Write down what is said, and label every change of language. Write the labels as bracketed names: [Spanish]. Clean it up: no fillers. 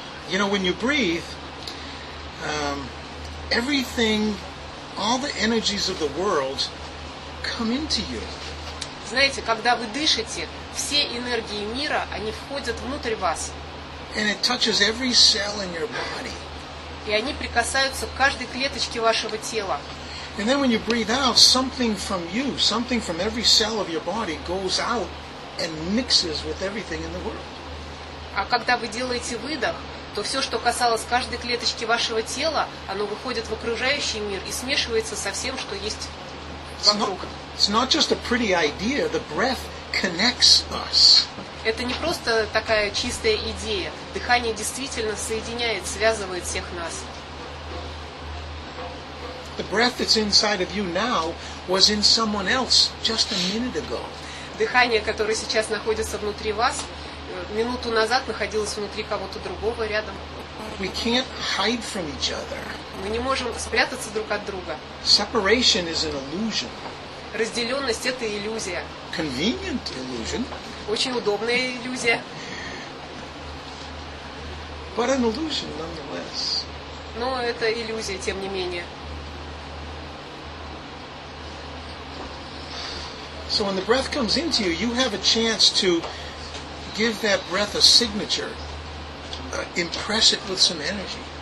[English] You know, when you breathe, everything, all the energies of the world come into you. [Russian] Знаете, когда вы дышите, все энергии мира, они входят внутрь вас. [English] And it touches every cell in your body. [Russian] И они прикасаются к каждой клеточке вашего тела. [English] And then when you breathe out, something from you, something from every cell of your body goes out and mixes with everything in the world. [Russian] А когда вы делаете выдох, то все, что касалось каждой клеточки вашего тела, оно выходит в окружающий мир и смешивается со всем, что есть вокруг. [English] It's not just a pretty idea. The breath connects us. [Russian] Это не просто такая чистая идея. Дыхание действительно соединяет, связывает всех нас. [English] The breath that's inside of you now was in someone else just a minute ago. [Russian] Дыхание, которое сейчас находится внутри вас, минуту назад находилось внутри кого-то другого рядом. [English] We can't hide from each other. [Russian] Мы не можем спрятаться друг от друга. [English] Separation is an illusion. [Russian] Разделенность – это иллюзия. [English] Convenient illusion. [Russian] Очень удобная иллюзия. [English] But an illusion nonetheless. [Russian] Но это иллюзия, тем не менее. [English] So when the breath comes into you, you have a chance to give that breath a signature, impress it with some energy.